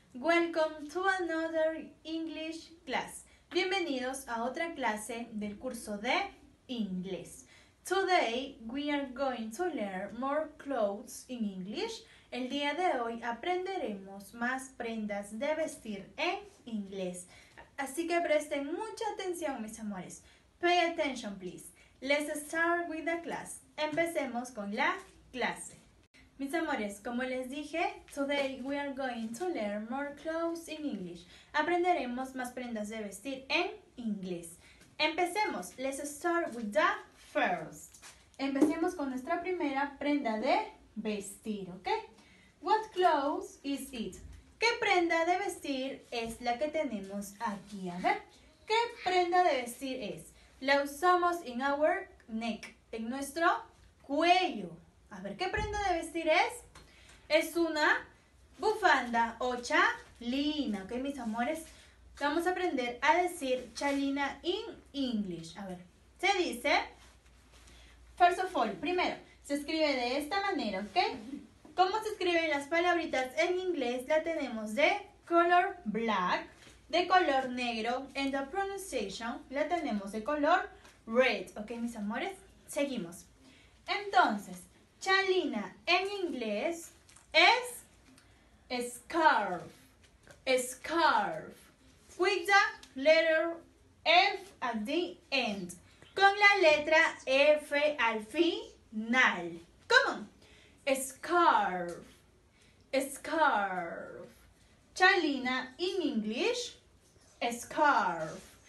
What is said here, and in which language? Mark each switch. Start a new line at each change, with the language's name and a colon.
English: Welcome to another English class.
Spanish: Bienvenidos a otra clase del curso de inglés.
English: Today, we are going to learn more clothes in English.
Spanish: El día de hoy aprenderemos más prendas de vestir en inglés. Así que presten mucha atención, mis amores.
English: Pay attention, please. Let's start with the class.
Spanish: Empecemos con la clase. Mis amores, como les dije,
English: today we are going to learn more clothes in English.
Spanish: Aprenderemos más prendas de vestir en inglés. Empecemos.
English: Let's start with the first.
Spanish: Empecemos con nuestra primera prenda de vestir, ¿ok?
English: What clothes is it?
Spanish: ¿Qué prenda de vestir es la que tenemos aquí? A ver, ¿qué prenda de vestir es? La usamos
English: in our neck,
Spanish: en nuestro cuello. A ver, ¿qué prenda de vestir es? Es una bufanda o chalina, ¿ok, mis amores? Vamos a aprender a decir chalina
English: in English.
Spanish: A ver, se dice,
English: first of all,
Spanish: primero, se escribe de esta manera, ¿ok? ¿Cómo se escriben las palabritas en inglés? La tenemos de color black, de color negro. En
English: the pronunciation,
Spanish: la tenemos de color red. ¿Ok, mis amores? Seguimos. Entonces, chalina en inglés es scarf.
English: Scarf. With the letter F at the end.
Spanish: Con la letra F al final.
English: Come on. Scarf, scarf. Chalina in English, scarf.